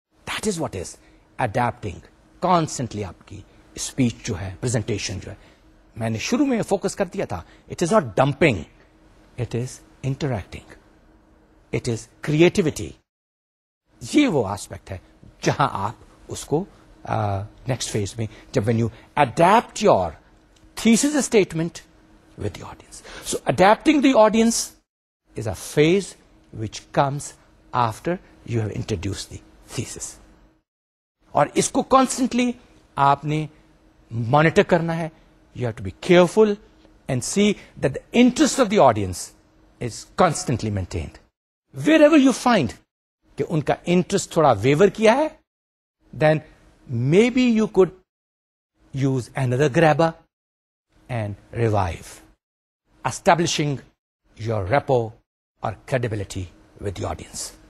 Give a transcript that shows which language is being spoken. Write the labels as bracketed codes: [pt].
[en] That is what is adapting constantly. [ur] آپ کی speech جو ہے, پریزنٹیشن جو ہے, میں نے شروع میں فوکس کر دیا تھا, [en] It is not dumping, it is interacting, it is creativity. [ur] یہ وہ آسپیکٹ ہے جہاں آپ اس کو نیکسٹ فیز میں, جب [en] When you adapt your thesis statement with the audience. So adapting the audience is a phase which comes after you have introduce the thesis. [ur] اور اس کو کانسٹنٹلی آپ نے مانیٹر کرنا ہے. [en] You have to be careful and see that the interest of the audience is constantly maintained. Wherever you find [ur] ke unka interest thoda waver kiya hai, [en] then maybe you could use another grabber and revive, establishing your rapport or credibility with the audience.